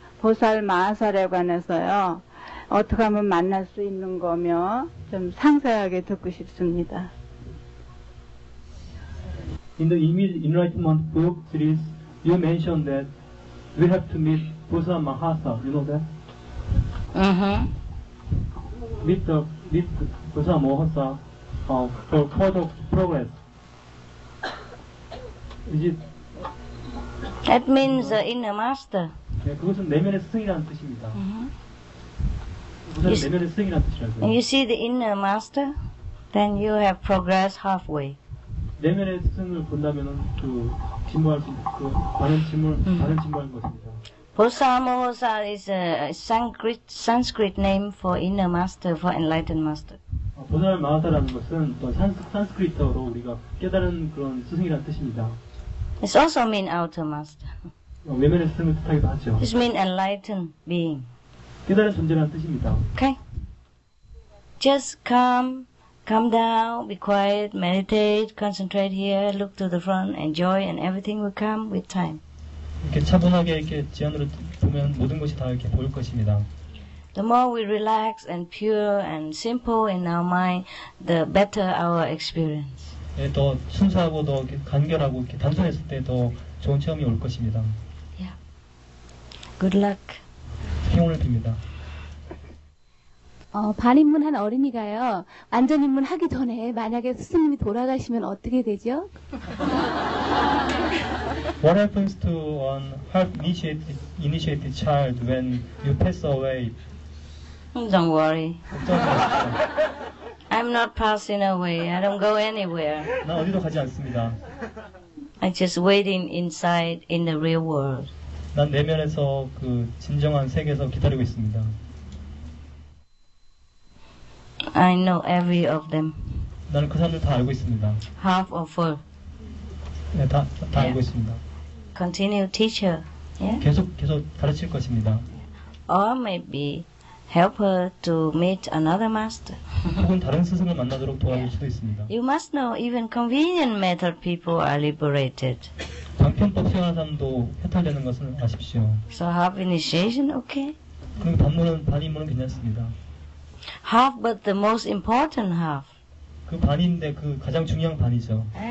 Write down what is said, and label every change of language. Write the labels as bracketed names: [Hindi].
[Korean] 보살 마하살에 관해서요. 어떻게 하면 만날 수 있는 거며 좀 상세하게 듣고 싶습니다. [English] In the Enlightenment book series, you mentioned that we have to meet Bosa Mahasa. You know that? Uh-huh. Meet Bosa Mahasa for further progress. Is it? That means the inner master. [Korean] 네, 그것은 내면의 스승이라는 뜻입니다. Uh-huh. 내면의 스승이라는 뜻이라고요. [English] And you see the inner master, then you have progressed halfway. [Korean] 내면의 스승을 본다면은 반은 진무하는 것입니다. [English] Bosa Mahasa is a Sanskrit name for inner master, for enlightened master. [Korean] 보살 마하사라는 것은 또 산스크리트어로 우리가 깨달은 그런 스승이라는 뜻입니다. [English] It also mean outer master. [Korean] 내면의 스승을 뜻하기도 하죠. [English] It mean enlightened being. [Korean] 깨달은 존재라는 뜻입니다. [English] Okay. Just come. Calm down, be quiet, meditate, concentrate here, look to the front, enjoy, and everything will come with time. [Korean] 이렇게 차분하게 이렇게 지연으로 보면 모든 것이 다 이렇게 보일 것입니다. [English] The more we relax and pure and simple in our mind, the better our experience. [Korean] 예, 더 순수하고 더 간결하고 이렇게 단순했을 때 더 좋은 체험이 올 것입니다. [English] Yeah. Good luck. [Korean] 힘을 빕니다. 반입문한 어린이가요. 완전 입문하기 전에 만약에 스승님이 돌아가시면 어떻게 되죠? [English] What happens to an initiated child when you pass away? Don't worry. I'm not passing away. I don't go anywhere. [Korean] 나 어디도 가지 않습니다. [English] I just waiting inside in the real world. [Korean] 난 내면에서 그 진정한 세계에서 기다리고 있습니다. [English] I know every of them. [Korean] 나는 그 사람들 다 알고 있습니다. [English] Half or full. [Korean] 네, 다 알고 있습니다. [English] Continue teacher. [Korean] Yeah? 계속 가르칠 것입니다. [English] Or maybe help her to meet another master. [Korean] 혹은 다른 스승을 만나도록 도와줄 수도 있습니다. [English] You must know even convenient method people are liberated. [Korean] 방편법 생활상도 해탈되는 것을 아십시오. [English] So half initiation, okay? [Korean] 그럼 반입문은 괜찮습니다. [English] Half, but the most important half. [Korean] 그 반인데 그 가장 중요한 반이죠.